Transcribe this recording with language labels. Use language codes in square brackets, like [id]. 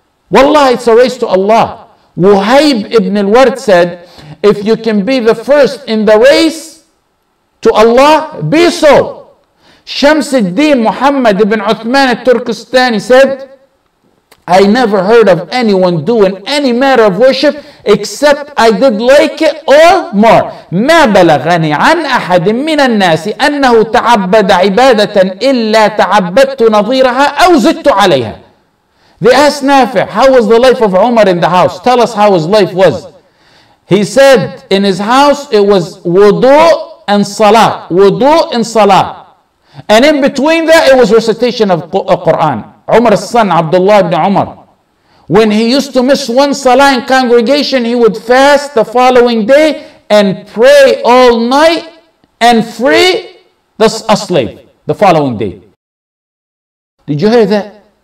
[en] Wallah, it's a race to Allah. Wuhayb ibn al-Ward said, if you can be the first in the race to Allah, be so. Shamsuddin Muhammad ibn Uthman al-Turkistani said, I never heard of anyone doing any matter of worship except I did like it or more. [ar] ما بلغني عن أحد من الناس أنه تعبد عبادة إلا تعبدت نظيرها أو زدت عليها. [en] They asked Nafi, how was the life of Umar in the house? Tell us how his life was. He said, in his house, it was wudu and salah. Wudu and salah. And in between that, it was recitation of Quran. Umar's son, Abdullah ibn Umar. When he used to miss one salah in congregation, he would fast the following day and pray all night and free a slave the following day. Did you hear that?